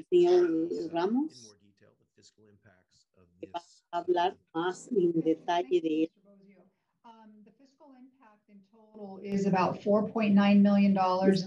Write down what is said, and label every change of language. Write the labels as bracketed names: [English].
[English] in more detail the fiscal impacts of this. [Spanish] Va a hablar más en detalle de esto. [English] The fiscal impact in total is about $4.9 million in salaries.